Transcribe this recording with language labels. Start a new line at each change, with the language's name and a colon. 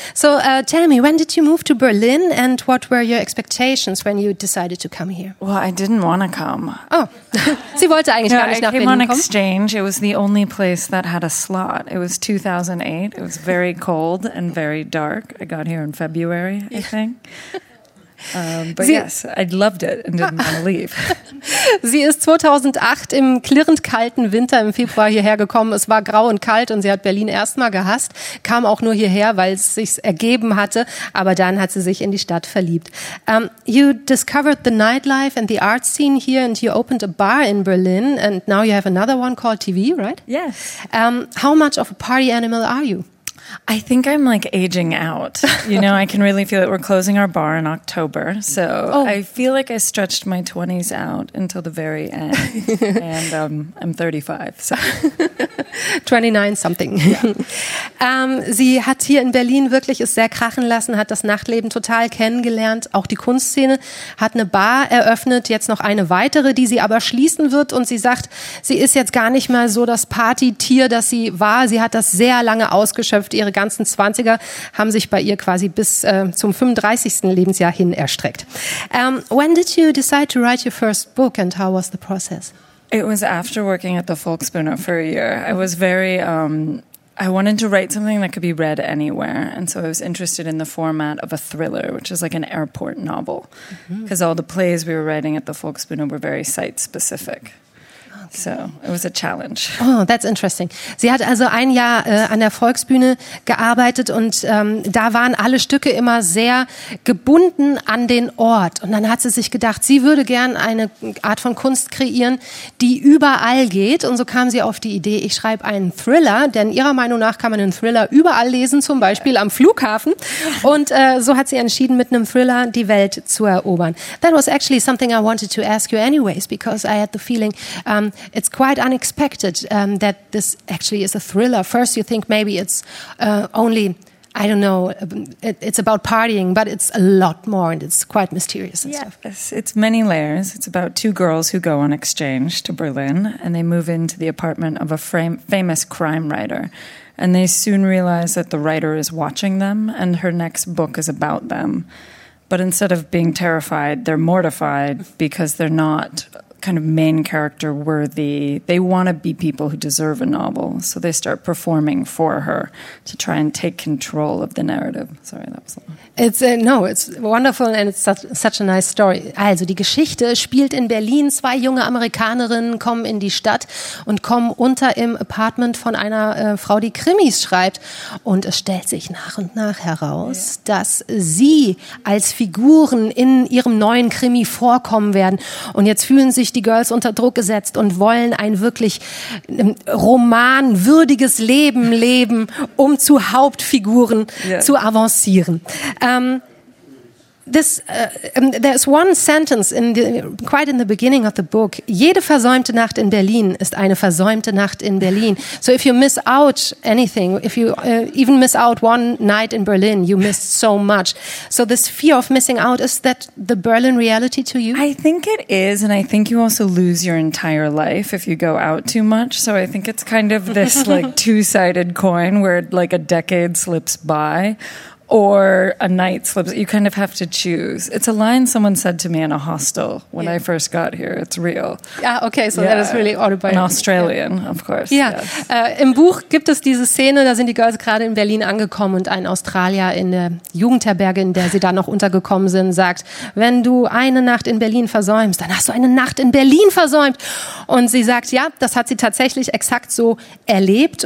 English: So, tell me, when did you move to Berlin and what were your expectations when you decided to come here? Well, I didn't want to come.
German: Oh, sie wollte eigentlich gar nicht nach Berlin kommen.
English: I came on exchange. It was the only place that had a slot. It was 2008. It was very cold and very dark. I got here in February, I think. I loved it and didn't want to leave.
German: Sie ist 2008 im klirrend kalten Winter im Februar hierher gekommen. Es war grau und kalt und sie hat Berlin erstmal gehasst. Kam auch nur hierher, weil es sich ergeben hatte. Aber dann hat sie sich in die Stadt verliebt.
English: You discovered the nightlife and the art scene here and you opened a bar in Berlin and now you have another one called TV, right? Yes. How much of a party animal are you? I think I'm like aging out. You know, I can really feel it. We're closing our bar in October. So I feel like I stretched my 20s out until the very end. And I'm 35. So. 29 something. Yeah.
German: Sie hat hier in Berlin wirklich es sehr krachen lassen, hat das Nachtleben total kennengelernt, auch die Kunstszene, hat eine Bar eröffnet, jetzt noch eine weitere, die sie aber schließen wird. Und sie sagt, sie ist jetzt gar nicht mal so das Partytier, das sie war. Sie hat das sehr lange ausgeschöpft. Ihre ganzen 20er haben sich bei ihr quasi bis zum 35. Lebensjahr hin erstreckt.
English: When did you decide to write your first book and how was the process? It was after working at the Volksbühne for a year. I was very, I wanted to write something that could be read anywhere. And so I was interested in the format of a thriller, which is like an airport novel. Because all the plays we were writing at the Volksbühne were very site-specific. So, it was a challenge. Oh, that's interesting.
German: Sie hat also ein Jahr an der Volksbühne gearbeitet und da waren alle Stücke immer sehr gebunden an den Ort. Und dann hat sie sich gedacht, sie würde gern eine Art von Kunst kreieren, die überall geht. Und so kam sie auf die Idee, ich schreibe einen Thriller, denn ihrer Meinung nach kann man einen Thriller überall lesen, zum Beispiel am Flughafen. Und so hat sie entschieden, mit einem Thriller die Welt zu erobern.
English: That was actually something I wanted to ask you anyways, because I had the feeling... it's quite unexpected that this actually is a thriller. First, you think maybe it's only, I don't know, it's about partying, but it's a lot more and it's quite mysterious and stuff. Yes, it's many layers. It's about two girls who go on exchange to Berlin and they move into the apartment of a famous crime writer. And they soon realize that the writer is watching them and her next book is about them. But instead of being terrified, they're mortified because they're not... kind of main character worthy. They want to be people who deserve a novel, so they start performing for her to try and take control of the narrative. Sorry, that was long. It's wonderful and it's such a nice story.
German: Also, die Geschichte spielt in Berlin. Zwei junge Amerikanerinnen kommen in die Stadt und kommen unter im Apartment von einer Frau, die Krimis schreibt. Und es stellt sich nach und nach heraus, dass sie als Figuren in ihrem neuen Krimi vorkommen werden. Und jetzt fühlen sich die Girls unter Druck gesetzt und wollen ein wirklich romanwürdiges Leben leben, um zu Hauptfiguren zu avancieren.
English: There is one sentence quite in the beginning of the book.
German: Jede versäumte Nacht in Berlin ist eine versäumte Nacht in Berlin.
English: So if you miss out anything, if you even miss out one night in Berlin, you miss so much. So this fear of missing out, is that the Berlin reality to you? I think it is, and I think you also lose your entire life if you go out too much. So I think it's kind of this like two-sided coin where like a decade slips by. Or a night slips. You kind of have to choose. It's a line someone said to me in a hostel when I first got here. It's real. Yeah, okay, so that is really autobiographical. An Australian, of course. Yeah.
German: Im Buch gibt es diese Szene, da sind die Girls gerade in Berlin angekommen und ein Australier in der Jugendherberge, in der sie da noch untergekommen sind, sagt, wenn du eine Nacht in Berlin versäumst, dann hast du eine Nacht in Berlin versäumt. Und sie sagt, ja, das hat sie tatsächlich exakt so erlebt.